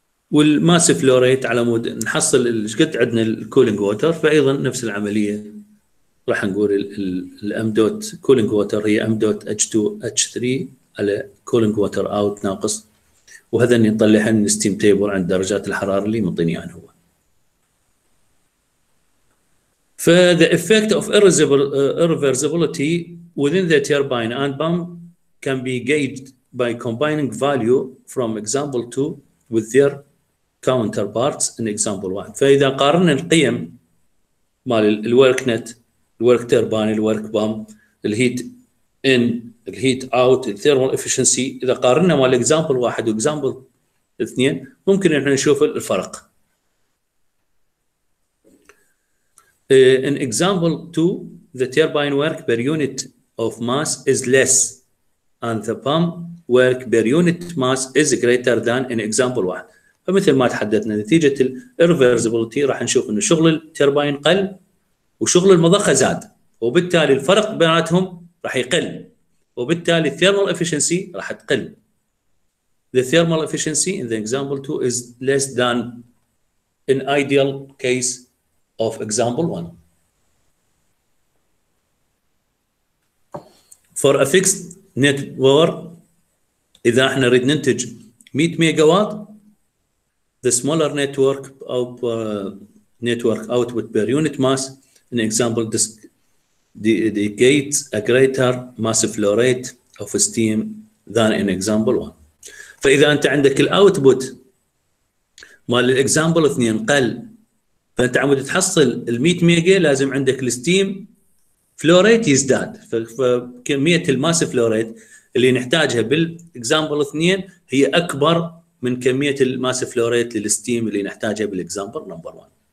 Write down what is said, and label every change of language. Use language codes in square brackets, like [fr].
[ar] والماس فلو ريت على مود نحصل ايش قد عندنا الكولينج ووتر، فايضا نفس العمليه راح نقول الام دوت كولينج ووتر هي ام دوت اتش 2 اتش 3 على كولينج ووتر اوت ناقص، وهذا اللي نطلعه من ستيم تيبل عند درجات الحراره اللي مطيني اياها هو. [en] ف the effect of irreversibility within the turbine and pump can be gauged by combining value from example 2 with their counterparts in example 1. [ar] فاذا قارنا القيم مال الورك نت، الورك تيربان، الورك بام، الهيت ان، الهيت اوت، الثيرمال افشنسي، اذا قارنا مال اكزامبل 1 واكزامبل 2 ممكن احنا نشوف الفرق. [en] In example 2 the turbine work per unit of mass is less and the pump work per unit mass is greater than in example 1. [ar] فمثل ما تحدثنا نتيجة الارفيرزبلتي راح نشوف انه شغل التيرباين قل وشغل المضخة زاد، وبالتالي الفرق بيناتهم راح يقل، وبالتالي الثيرمال افشنسي راح تقل. [en] The thermal efficiency in the example 2 is less than in ideal case of example 1. For a fixed network [ar] اذا احنا نريد ننتج 100 ميجا وات، [en] the smaller network of network output per unit mass in example disk indicates a greater mass flow rate of steam than in example 1. [ar] فاذا انت عندك الاوتبوت مال الاكزامبل 2 قل، فانت عم تحصل ال 100 ميجا لازم عندك الستيم فلو ريت يزداد، فكميه الماس فلو ريت اللي نحتاجها بالاكزامبل 2 هي اكبر من كمية الماس فلو ريت للستيم اللي نحتاجها بالاكزامبل نمبر 1.